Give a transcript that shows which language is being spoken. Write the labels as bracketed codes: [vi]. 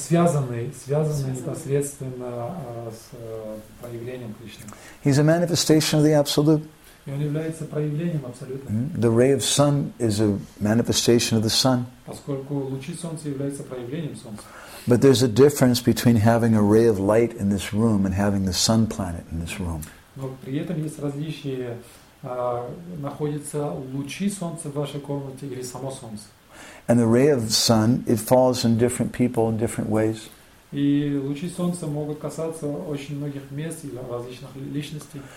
[ru] Связанный непосредственно с проявлением Кришны. [en] He's a manifestation of the Absolute. [ru] И он является проявлением Абсолюта. [en] The ray of sun is a manifestation of the sun. [ru] Поскольку лучи солнца являются проявлением солнца. [en] But there's a difference between having a ray of light in this room and having the sun planet in this room. [ru] Но при этом есть различие. Находятся лучи солнца в вашей комнате или само солнце? [en] And the ray of sun, it falls on different people in different ways. [ru] И лучи солнца могут касаться очень многих мест или различных личностей.